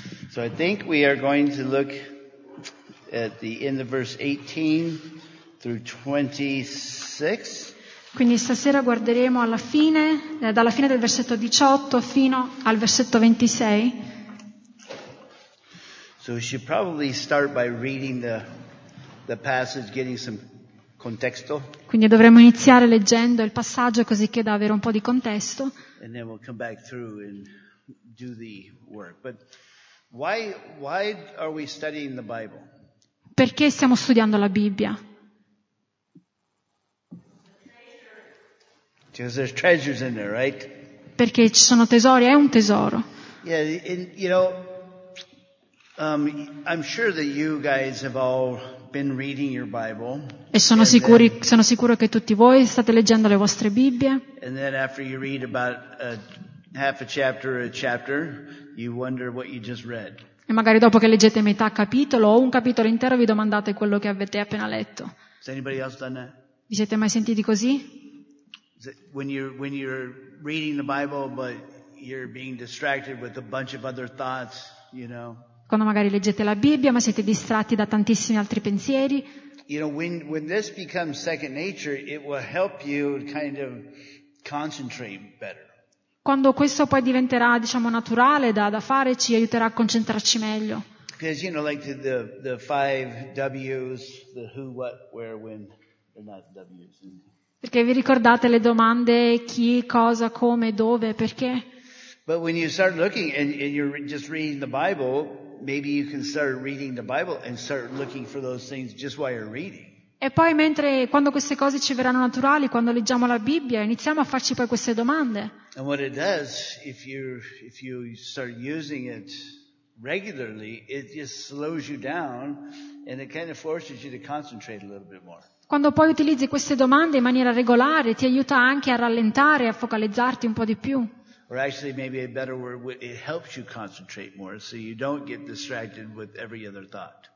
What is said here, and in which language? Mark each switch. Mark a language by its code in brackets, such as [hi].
[en] So I think we are going to look at the end of verse 18 through 26. [it] Quindi stasera guarderemo alla fine, dalla fine del versetto 18 fino al versetto 26. [en] So we should probably start by reading the passage, getting some [it] contesto. Quindi dovremmo iniziare leggendo il passaggio così che da avere un po' di contesto. [en] And then we'll come back through and do the work. But why are we studying the Bible? [it] Perché stiamo studiando la Bibbia? [en] Because there's treasures in there, right? [it] Perché ci sono tesori, è un tesoro. [en] Yeah, and you know, I'm sure that you guys have all been reading your Bible. [it] E sono sicuri, sono sicuro che tutti voi state leggendo le vostre Bibbie. [en] And then after you read about a half a chapter or a chapter, you wonder what you just read. [it] E magari dopo che leggete metà capitolo o un capitolo intero vi domandate quello che avete appena letto. [en] Has anybody else done that? [it] Vi siete mai sentiti così? [en] When you're reading the Bible but you're being distracted with a bunch of other thoughts, you know. [it] Quando magari leggete la Bibbia ma siete distratti da tantissimi altri pensieri. [en] You know, when this becomes second nature, it will help you kind of concentrate better. [it] Quando questo poi diventerà, diciamo, naturale da fare, ci aiuterà a concentrarci meglio. [en] Because, you know, like the five W's, the who, what, where, when, they're not W's. [it] Perché vi ricordate le domande chi, cosa, come, dove, perché? [en] But when you start looking and you're just reading the Bible, maybe you can start reading the Bible and start looking for those things just while you're reading. [it] E poi mentre quando queste cose ci verranno naturali, quando leggiamo la Bibbia, iniziamo a farci poi queste domande. [en] And what it does, if you start using it regularly, it just slows you down and it kind of forces you to concentrate a little bit more. [it] Quando poi utilizzi queste domande in maniera regolare, ti aiuta anche a rallentare, a focalizzarti un po' di più. [en] Or actually maybe a better word, it helps you concentrate more so you don't get distracted with every other thought.